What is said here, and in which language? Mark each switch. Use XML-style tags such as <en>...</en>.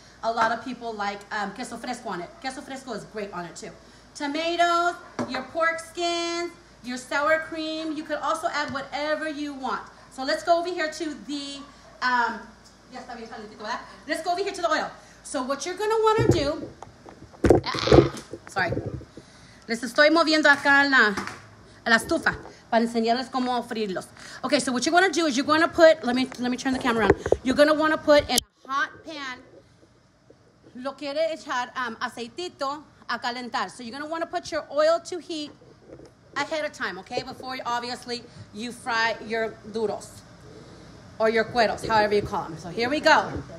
<en>A lot of people like queso fresco on it. Queso fresco is great on it too. Tomatoes, your pork skins, your sour cream. You could also add whatever you want. So let's go over here to the oil. So what you're gonna wanna do. Sorry.</en> <es>Les estoy moviendo acá a la estufa para enseñarles cómo freírlos.</es> <en>Okay, so what you want to do is you're going to put, let me turn the camera on. You're going to want to put in a hot pan,</en> <es>lo quiere echar aceitito a calentar.</es> <en>So you're going to want to put your oil to heat ahead of time, okay? Before, obviously, you fry your duros or your cueros, however you call them. So here we go.</en>